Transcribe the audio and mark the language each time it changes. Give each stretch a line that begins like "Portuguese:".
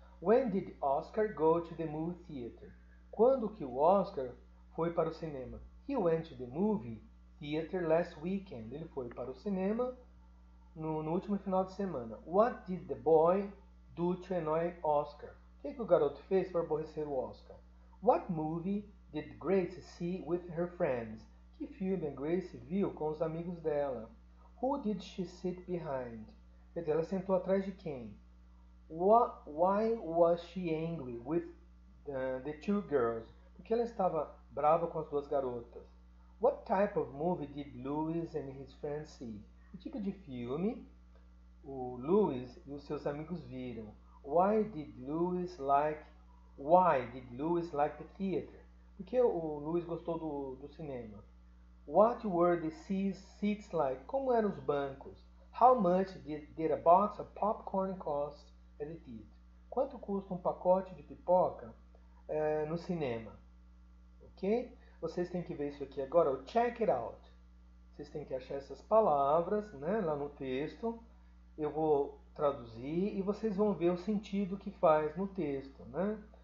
English: When did Oscar go to the movie theater?
Portuguese: Quando que o Oscar foi para o cinema?
English: He went to the movie theater last weekend.
Portuguese: Ele foi para o cinema no último final de semana.
English: What did the boy do to annoy Oscar?
Portuguese: O que o garoto fez para aborrecer o Oscar?
English: What movie did Grace see with her friends?
Portuguese: Que filme Grace viu com os amigos dela?
English: Who did she sit behind?
Portuguese: Quer dizer, ela sentou atrás de quem?
English: Why was she angry with the two girls?
Portuguese: Por que ela estava brava com as duas garotas?
English: What type of movie did Louis and his friends see?
Portuguese: Que tipo de filme o Louis e os seus amigos viram?
English: Why did Louis like the theater?
Portuguese: Por que o Louis gostou do cinema?
English: What were the seats like?
Portuguese: Como eram os bancos?
English: How much did a box of popcorn cost at the theater?
Portuguese: Quanto custa um pacote de pipoca no cinema? Ok? Vocês têm que ver isso aqui agora, o check it out. Vocês têm que achar essas palavras, né, lá no texto. Eu vou traduzir e vocês vão ver o sentido que faz no texto, né?